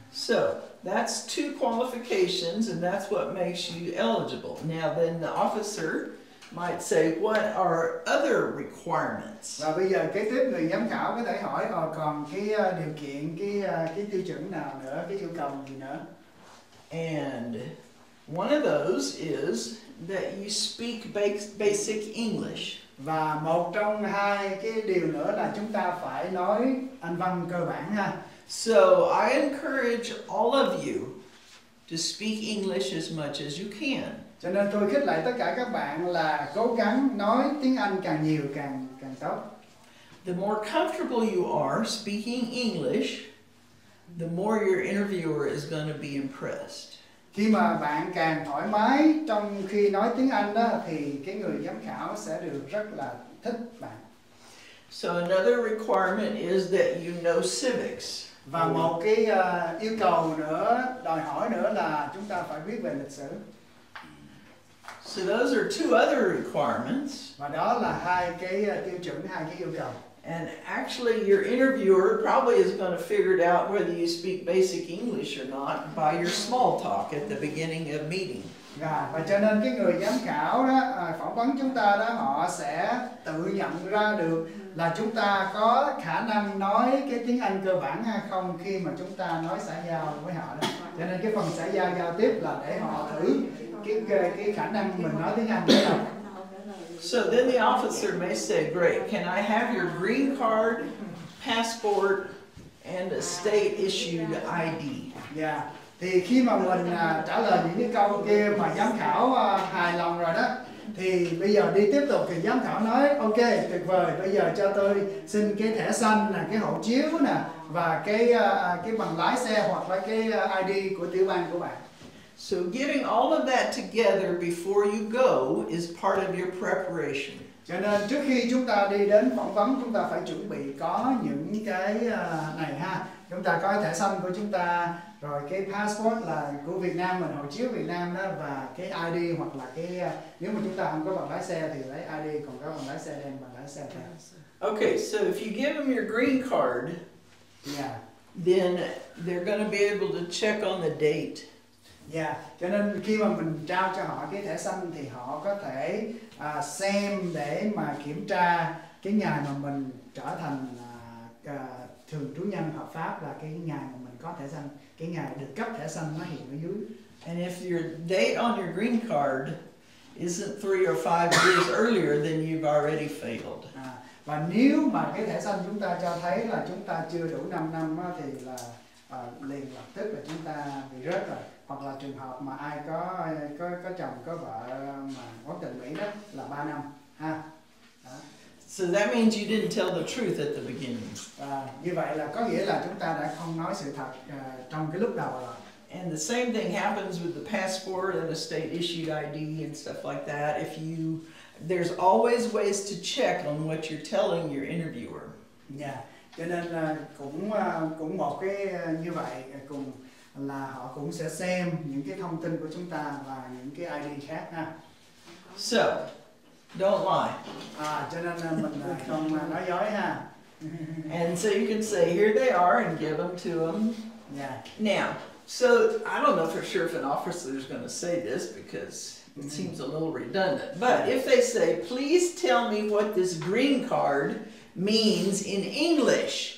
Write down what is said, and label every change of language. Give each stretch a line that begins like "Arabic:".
English: So that's two qualifications, and that's what makes you eligible. Now then the officer might say, what are other requirements?
Vietnamese: Và bây giờ kế tiếp người giám khảo có thể hỏi, còn cái điều kiện, cái tiêu chuẩn nào nữa, cái yêu cầu gì nữa?
English: And one of those is that you speak basic English.
Vietnamese: Và một trong hai cái điều nữa là chúng ta phải nói Anh văn cơ bản ha.
English: So I encourage all of you to speak English as much as you can.
Vietnamese: Cho nên tôi khích lại tất cả các bạn là cố gắng nói tiếng Anh càng nhiều càng tốt.
English: The more comfortable you are speaking English, the more your interviewer is going to be impressed.
Vietnamese: Khi mà bạn càng thoải mái trong khi nói tiếng Anh đó, thì cái người giám khảo sẽ được rất là thích bạn.
English: So another requirement is that you know civics.
Vietnamese: Và một cái yêu cầu nữa, đòi hỏi nữa là chúng ta phải biết về lịch sử.
English: So those are two other requirements.
Vietnamese: Và đó là hai cái tiêu chuẩn, hai cái yêu cầu.
English: And actually your interviewer probably is going to figure it out whether you speak basic English or not by your small talk at the beginning of meeting. Yeah.
Vietnamese: Và cho nên cái người giám khảo đó, phỏng vấn chúng ta đó, họ sẽ tự nhận ra được là chúng ta có khả năng nói cái tiếng Anh cơ bản hay không khi mà chúng ta nói xã giao với họ đó. Cho nên cái phần xã giao giao tiếp là để họ thử cái khả năng mình nói tiếng Anh không.
English: So then the officer may say, great, can I have your green card, passport, and a state-issued ID? Yeah.
Vietnamese: Thì khi mà mình trả lời những cái câu kia mà giám khảo hài lòng rồi đó, thì bây giờ đi tiếp tục thì giám khảo nói, ok, tuyệt vời, bây giờ cho tôi xin cái thẻ xanh, là cái hộ chiếu nè, và cái bằng lái xe hoặc là cái ID của tiểu bang của bạn.
English: So getting all of that together before you go is part of your preparation.
Vietnamese: Cho nên trước khi chúng ta đi đến phỏng vấn, chúng ta phải chuẩn bị có những cái này ha. Chúng ta có thẻ xanh của chúng ta, rồi cái passport là của Việt Nam mình, hộ chiếu Việt Nam đó, và cái ID hoặc là cái nếu mà chúng ta không có bằng lái xe thì lấy ID, còn có bằng lái xe đem bằng lái xe theo.
English: Okay, so if you give them your green card, yeah, then they're going to be able to check on the date.
Vietnamese: Yeah, cho nên khi mà mình trao cho họ cái thẻ xanh thì họ có thể xem để mà kiểm tra cái ngày mà mình trở thành thường trú nhân hợp pháp, là cái ngày mà mình có thẻ xanh, cái ngày được cấp thẻ xanh nó hiện ở dưới.
English: And if your date on your green card isn't 3 or 5 years earlier, then you've already failed.
Vietnamese: Và nếu mà cái thẻ xanh chúng ta cho thấy là chúng ta chưa đủ 5 năm thì là liền lập tức là chúng ta bị rớt rồi. Hoặc là trường hợp mà ai có chồng có vợ mà quốc tịch Mỹ đó là 3 năm ha.
English: So that means you didn't tell the truth at the beginning.
Vietnamese: Như vậy là có nghĩa là chúng ta đã không nói sự thật trong cái lúc đầu rồi.
English: And the same thing happens with the passport and the state issued ID and stuff like that. If you there's always ways to check on what you're telling your interviewer. Yeah.
Vietnamese: Cho nên cũng một cái như vậy cùng là họ cũng sẽ xem những cái thông tin của chúng ta và những cái ID khác ha.
English: So, don't lie.
Vietnamese: Cho nên mình không nói dối ha.
English: And so you can say here they are and give them to them. Yeah. Now, so I don't know for sure if an officer is going to say this because it seems a little redundant, but if they say, please tell me what this green card means in English,